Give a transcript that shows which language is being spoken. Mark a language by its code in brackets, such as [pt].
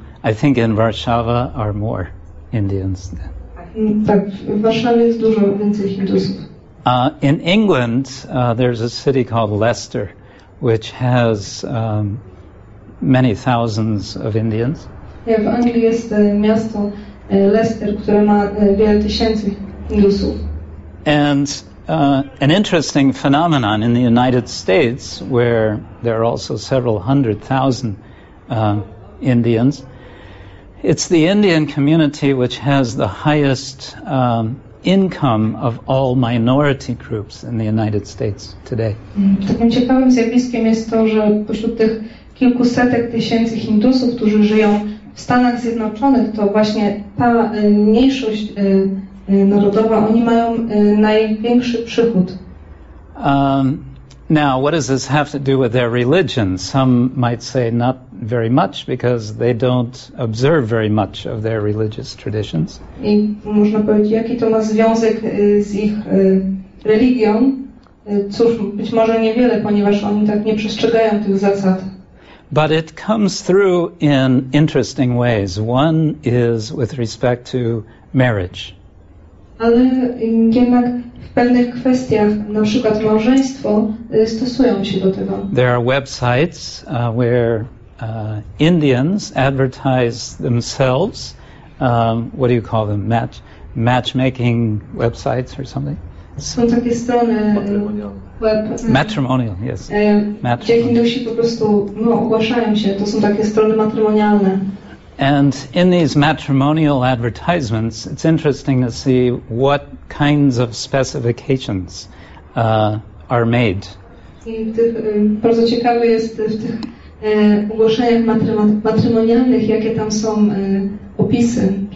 [en] I think in Warszawa are more Indians. [pl] Tak, w Warszawie jest dużo więcej Hindusów. [en] In England, there's a city called Leicester, which has many thousands of Indians. [pl] Yeah, w Anglii jest miasto Leicester, które ma wiele tysięcy Hindusów. [en] And an interesting phenomenon in the United States, where there are also several hundred thousand Indians, it's the Indian community which has the highest income of all minority groups in the United States today. [pl] Takim ciekawym zjawiskiem jest to, że pośród tych kilkusetek tysięcy Hindusów, którzy żyją w Stanach Zjednoczonych, to właśnie ta mniejszość narodowa, oni mają największy przychód. [en] Now, what does this have to do with their religion? Some might say not very much, because they don't observe very much of their religious traditions. [pl] I można powiedzieć, jaki to ma związek z ich religią? Cóż, być może niewiele, ponieważ oni tak nie przestrzegają tych zasad. [en] But it comes through in interesting ways. One is with respect to marriage. [pl] Ale jednak w pewnych kwestiach, na przykład małżeństwo, stosują się do tego. [en] There are websites where Indians advertise themselves. What do you call them? Matchmaking websites or something? [pl] Są takie strony [en] matrimonial, yes. [pl] Gdzie Hindusi po prostu ogłaszają się. To są takie strony matrymonialne. [en] And in these matrimonial advertisements, it's interesting to see what kinds of specifications are made. [pl] Bardzo ciekawe jest w tych ogłoszeniach matrymonialnych, jakie tam są opisy.